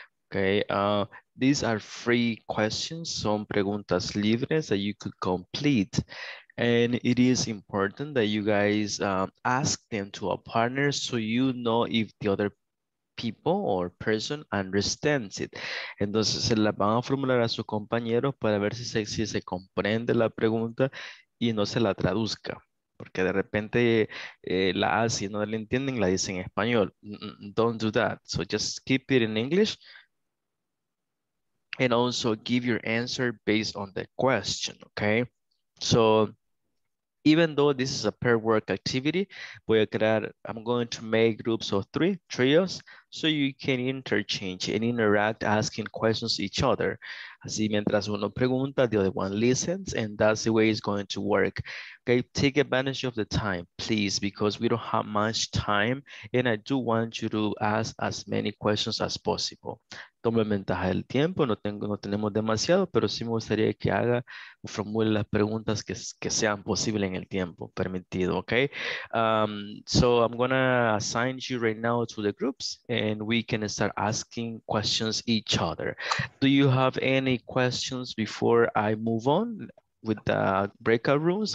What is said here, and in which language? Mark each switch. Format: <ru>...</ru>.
<en>Okay, these are free questions,</en> <es>son preguntas libres</es> <en>that you could complete. And it is important that you guys ask them to a partner so you know if the other people or person understands it.</en> <es>Entonces se la van a formular a sus compañeros para ver si se comprende la pregunta y no se la traduzca. Porque de repente la hace y no la entienden, la dice en español.</es> <en>Don't do that. So just keep it in English. And also give your answer based on the question, okay? So even though this is a pair work activity, I'm going to make groups of three, trios, so you can interchange and interact asking questions to each other.</en> <es>Así mientras uno pregunta,</es> <en>the other one listens, and that's the way it's going to work. Okay, take advantage of the time, please, because we don't have much time, and I do want you to ask as many questions as possible.</en> <es>Tome ventaja del tiempo, no tenemos demasiado, pero sí me gustaría que haga o formule las preguntas que sean posible en el tiempo permitido, okay?</es> <en>So I'm gonna assign you right now to the groups, and we can start asking questions each other. Do you have any questions before I move on with the breakout rooms?</en>